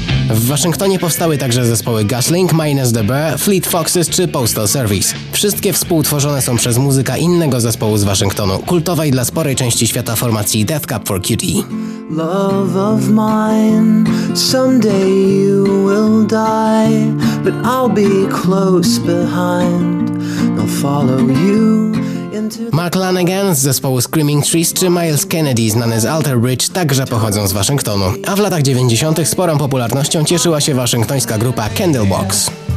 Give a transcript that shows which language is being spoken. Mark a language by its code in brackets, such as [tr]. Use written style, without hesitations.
[pl] W Waszyngtonie powstały także zespoły Gaslink, Minus the Bear, Fleet Foxes czy Postal Service. Wszystkie współtworzone są przez muzyka innego zespołu z Waszyngtonu, kultowej dla sporej części świata formacji Death Cab for Cutie. [en] Love of mine, someday you will die, but I'll be close behind, I'll follow you. [pl] Mark Lanegan z zespołu Screaming Trees czy Miles Kennedy znany z Alter Bridge także pochodzą z Waszyngtonu. A w latach 90. sporą popularnością cieszyła się waszyngtońska grupa Candlebox.